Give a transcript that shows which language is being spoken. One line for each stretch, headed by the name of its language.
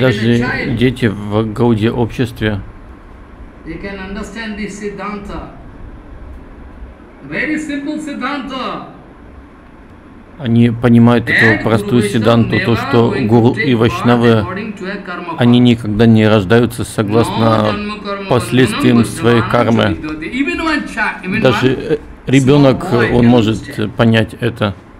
Russian: даже дети в Гаудия обществе,
English: they can understand this Siddhanta. Very simple Siddhanta.
Russian: Они понимают эту простую сиддханту, то, что гуру и вайшнавы, они никогда не рождаются согласно последствиям своей кармы. Даже ребенок, он может понять это.